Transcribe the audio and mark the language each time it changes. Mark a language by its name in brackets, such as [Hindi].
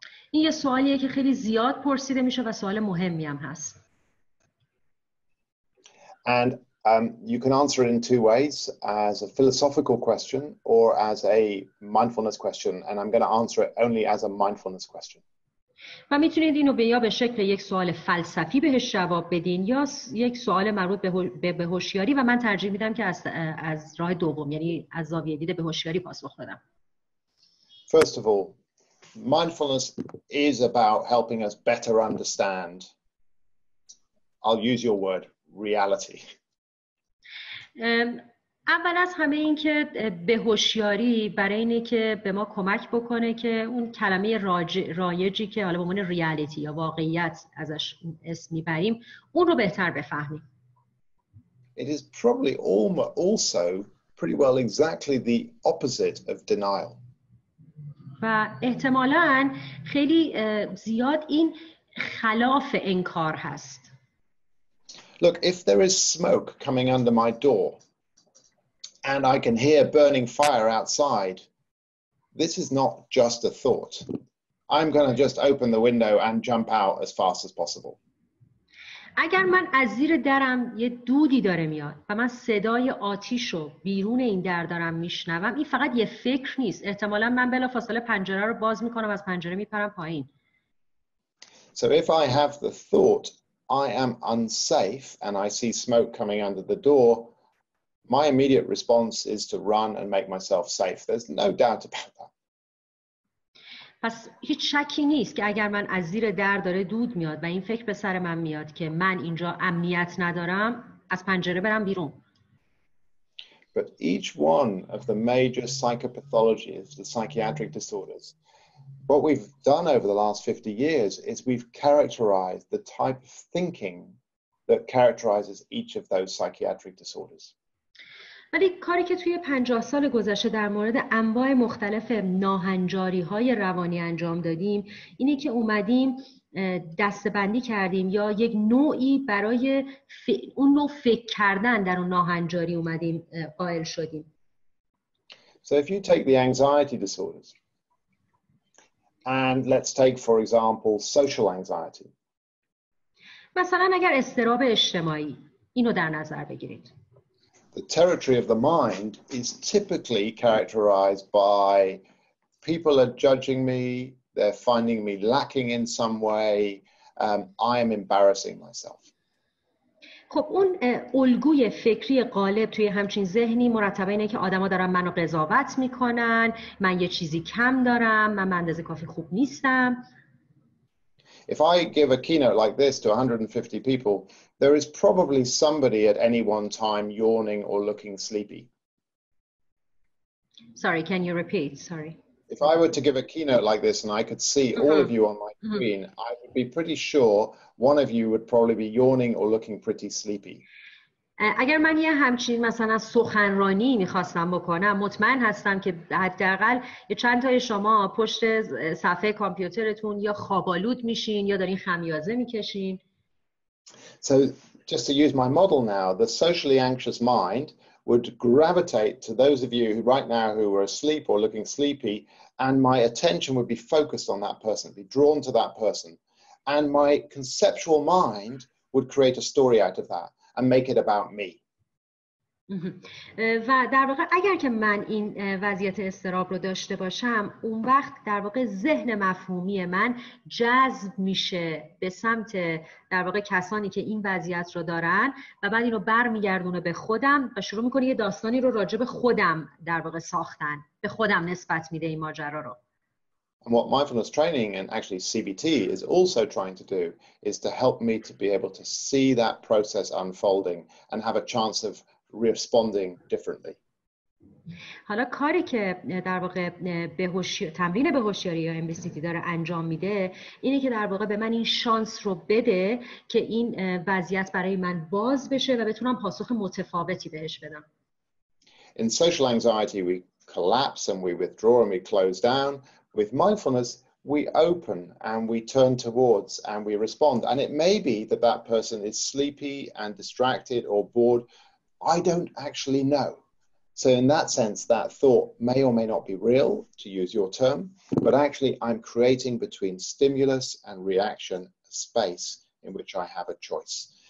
[Persian] این یه سوالیه که خیلی زیاد پرسیده میشه و سوال مهمی هم هست. [English] And you can answer it in two ways, as a philosophical question or as a mindfulness question, and I'm going to answer it only as a mindfulness question. [Persian] و میتونید اینو به یا به شکل یک سوال فلسفی بهش جواب بدین یا یک سوال مربوط به هوشیاری و من ترجیح میدم که از راه دوم، یعنی از زاویه دید به هوشیاری پاسخ بدم. [English] First of all, mindfulness is about helping us better understand, I'll use your word, reality. [Persian] اول از همه این که به هوشیاری برای اینه که به ما کمک بکنه که اون کلمه رایجی که حالا به عنوان ریالیتی یا واقعیت ازش اسم میبریم اون رو بهتر بفهمیم. [English] It is probably also pretty well exactly the opposite of denial. [Persian] و احتمالاً خیلی زیاد این خلاف انکار هست. [English] Look, if there is smoke coming under my door and I can hear burning fire outside, this is not just a thought. I'm going to just open the window and jump out as fast as possible. [Persian] اگر من از زیر درم یه دودی داره میاد و من صدای آتیش رو بیرون این در دارم میشنوم، این فقط یه فکر نیست، احتمالا من بلافاصله پنجره رو باز میکنم از پنجره میپرم پایین. [English] So if I have the thought I am unsafe and I see smoke coming under the door, my immediate response is to run and make myself safe. There's no doubt about that. [Persian] پس هیچ شکی نیست که اگر من از زیر در داره دود میاد و این فکر به سر من میاد که من اینجا امنیت ندارم از پنجره برم بیرون. [English] But each one of the major psychopathologies, the psychiatric disorders, what we've done over the last 50 years is we've characterized the type of thinking that characterizes each of those psychiatric disorders. [Persian] ولی کاری که توی 50 سال گذشته در مورد انواع مختلف ناهنجاری‌های روانی انجام دادیم اینه که اومدیم دستبندی کردیم یا یک نوعی برای اون نوع فکر کردن در اون ناهنجاری اومدیم قائل شدیم. [English] So if you take the anxiety disorders and let's take for example social anxiety. [Persian] مثلا اگر اضطراب اجتماعی اینو در نظر بگیرید. [English] The territory of the mind is typically characterized by people are judging me, they're finding me lacking in some way. I am embarrassing myself. [Persian] خب اون الگوی فکری غالب توی همچین ذهنی مرتب اینه که آدم‌ها دارن منو قضاوت میکنن، من یه چیزی کم دارم، من به اندازه کافی خوب نیستم. [English] If I give a keynote like this to 150 people, there is probably somebody at any one time yawning or looking sleepy. Sorry, can you repeat? Sorry. If I were to give a keynote like this and I could see all of you on my screen, I would be pretty sure one of you would probably be yawning or looking pretty sleepy. [Persian] اگر من یه همچین مثلا سخنرانی میخواستم بکنم، مطمئن هستم که حداقل یه چند تای شما پشت صفحه کامپیوترتون یا خوابالود میشین یا دارین خمیازه میکشین. [English] So just to use my model now, the socially anxious mind would gravitate to those of you who right now who were asleep or looking sleepy, and my attention would be focused on that person, be drawn to that person, and my conceptual mind would create a story out of that and make it about me. [Persian] و در واقع اگر که من این وضعیت استراب رو داشته باشم، اون وقت در واقع ذهن مفهومی من جذب میشه به سمت در واقع کسانی که این وضعیت رو دارن و بعد اینو برمیگردونه به خودم و شروع میکنه یه داستانی رو راجع به خودم در واقع ساختن، به خودم نسبت میده این ماجرا رو. [English] And what mindfulness training and actually CBT is also trying to do is to help me to be able to see that process unfolding and have a chance of responding differently. [Persian] حالا کاری که در واقع تمرین به هوشیاری یا MBCT داره انجام میده اینه که در واقع به من این شانس رو بده که این وضعیت برای من باز بشه و بتونم پاسخ متفاوتی بهش بدم. [English] In social anxiety we collapse and we withdraw and we close down. With mindfulness, we open and we turn towards and we respond. And it may be that that person is sleepy and distracted or bored. I don't actually know. So in that sense, that thought may or may not be real, to use your term, but actually I'm creating between stimulus and reaction a space in which I have a choice.